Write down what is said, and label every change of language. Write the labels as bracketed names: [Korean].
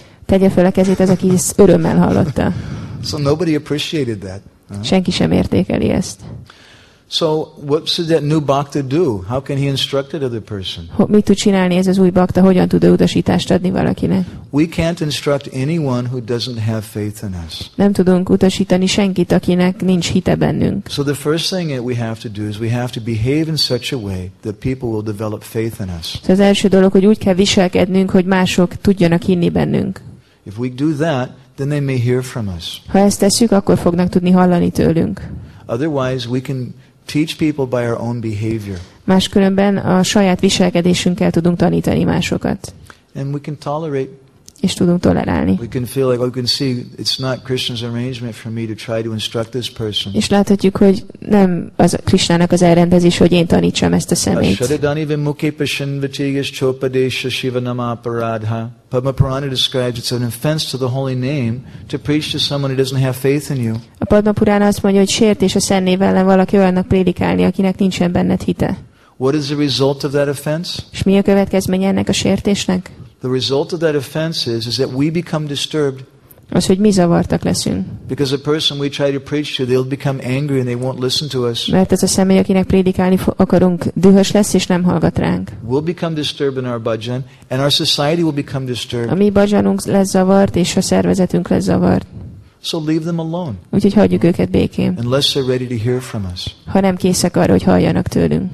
[Hungarian] Tegye fel a kezét az, aki ezt örömmel hallotta. [English] So nobody appreciated that. [Hungarian] Senki sem értékeli ezt. [English] So what should that new bhakta do? How can he instruct another person? [Hungarian] Mit tud csinálni ez az új bhakta? Hogyan tud utasítást adni valakinek? [English] We can't instruct anyone who doesn't have faith in us. [Hungarian] Nem tudunk utasítani senkit, akinek nincs hite bennünk. [English] So the first thing that we have to do is we have to behave in such a way that people will develop faith in us. [Hungarian] Szóval az első dolog, hogy úgy kell viselkednünk, hogy mások tudjanak hinni bennünk. [English] If we do that, then they may hear from us. [Hungarian] Ha ezt tesszük, akkor fognak tudni hallani tőlünk. [English] Otherwise, we can teach people by our own behavior. [Hungarian] Máskülönben a saját viselkedésünkkel tudunk tanítani másokat. [English] And we can tolerate. [Hungarian] És tudunk tolerálni. [English] We can feel like, we can see, it's not Krishna's arrangement for me to try to instruct this person. [Hungarian] És láthatjuk, hogy nem az Krishnának az elrendezés, hogy én tanítsam ezt a személyt. [Sanskrit] Ashadadani vimukhepashin vatigas chopadesha shivanamaparadha. [English] Padmapurana describes it's an offense to the holy name to preach to someone who doesn't have faith in you. [Hungarian] A Padmapurana azt mondja, hogy sértés a szent név ellen valaki olyannak prédikálni, akinek nincsen benned hite. [English] What is the result of that offense? [Hungarian] És mi a következménye ennek a sértésnek? [English] The result of that offense is that we become disturbed. [Hungarian] Az, hogy mi zavartak leszünk. [English] Because the person we try to preach to, they'll become angry and they won't listen to us. [Hungarian] Mert ez a személy, akinek prédikálni akarunk, dühös lesz és nem hallgat ránk. [English] We'll become disturbed in our bhajan and our society will become disturbed. [Hungarian] A mi bhajanunk lesz zavart és a szervezetünk lesz zavart. [English] So leave them alone. [Hungarian] Úgyhogy hagyjuk őket békén. [English] Unless they're ready to hear from us. [Hungarian] Ha nem készek arra, hogy halljanak tőlünk.